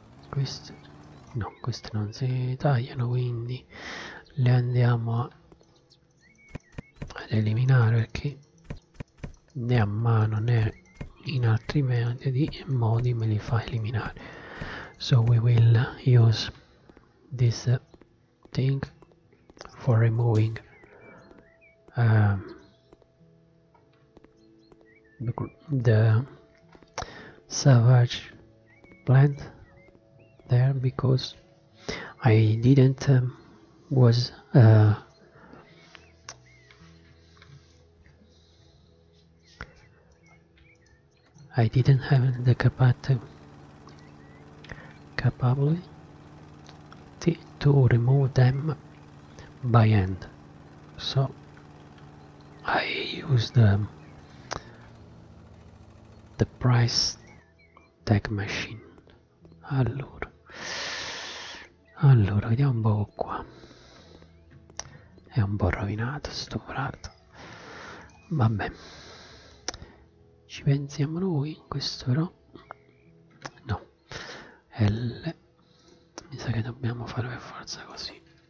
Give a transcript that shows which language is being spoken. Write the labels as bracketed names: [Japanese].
[Italian] Queste no, queste non si tagliano, quindi le andiamo ad eliminare perché né a mano né in altri modi me li fa eliminare. [English] So we will use this thing for removing the savage plant there because I didn't was I didn't have the capability to remove them by hand, so I used the price tag machine. [Italian] Allora vediamo un po' qua, è un po' rovinato sto prato, vabbè, ci pensiamo noi. Questo però no, L mi sa che dobbiamo fare per forza così.